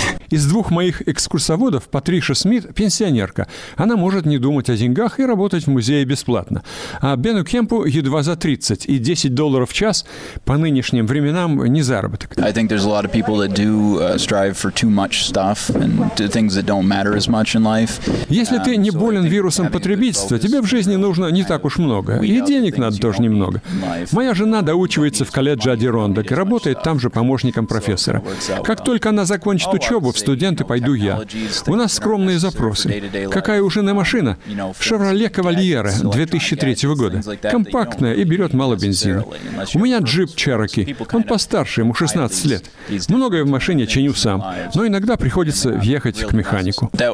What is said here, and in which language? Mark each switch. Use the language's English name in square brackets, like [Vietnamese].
[Russian] Из двух моих экскурсоводов, Патриша Смит, пенсионерка. Она может не думать о деньгах и работать в музее бесплатно. А Бену Кемпу едва за 30, и $10 в час по нынешним временам не заработок. [English] I think there's a lot of people that do strive for too much stuff and do things that don't matter as much in life. [Russian] Если ты не болен вирусом потребительства, тебе в жизни нужно не так уж много. И денег надо тоже немного. Моя жена доучивается в колледже Адирондак и работает там же помощником профессора. Как только она закончит учебу, в студенты пойду я. У нас скромные запросы. Какая уже на машина? Chevrolet Cavalier 2003 года. Компактная и берет мало бензина. У меня джип Cherokee. Он постарше, ему 16 лет. Многое в машине чиню сам, но иногда приходится въехать к механику.